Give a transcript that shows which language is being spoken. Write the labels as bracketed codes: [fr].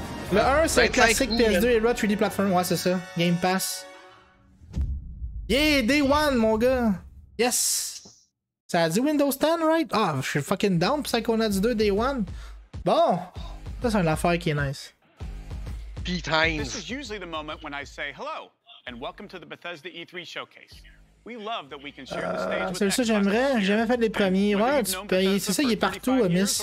[fr] Le 1, c'est le classique PS2 et le 3D Platform. Ouais, c'est ça. Game Pass. Yeah, Day 1, mon gars. Yes. Ça a dit Windows 10, right? Ah, je suis fucking down pour Psychonauts 2, Day 1. Bon. Ça, c'est une affaire qui est nice. [en] This is usually the moment when I say hello and welcome to the Bethesda E3 showcase. We love that we can share the stage. [fr] C'est ça, j'aimerais. J'ai jamais fait les premiers. Ouais, tu peux, c'est ça, il est partout, Miss.